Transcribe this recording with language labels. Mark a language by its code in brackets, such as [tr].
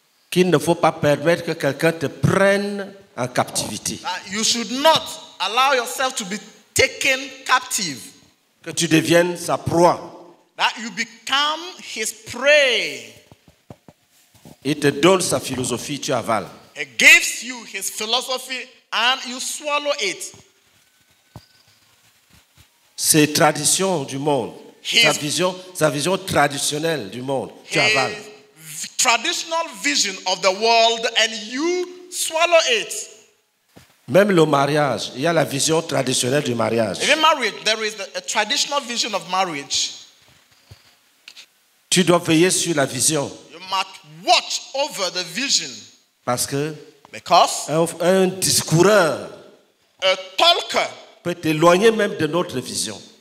[fr] qu'il ne faut pas permettre que quelqu'un te prenne en captivité. [en] You should not allow yourself to be taken captive. [fr] Que tu deviennes sa proie. [en] That you become his prey. [fr] Il te donne sa philosophie, tu avales. [en] He gives you his philosophy and you swallow it. [fr] Ses traditions du monde, sa vision traditionnelle du monde, tu avales. [en] Traditional vision of the world and you swallow it. [fr] Même le mariage, il y a la vision traditionnelle du mariage. [en] Even marriage, there is a traditional vision of marriage. [fr] Tu dois veiller sur la vision. [en] You must watch over the vision. [fr] Parce que [en] because [fr] un discoureur, [en] a talker, [fr] peut t'éloigner même de notre vision.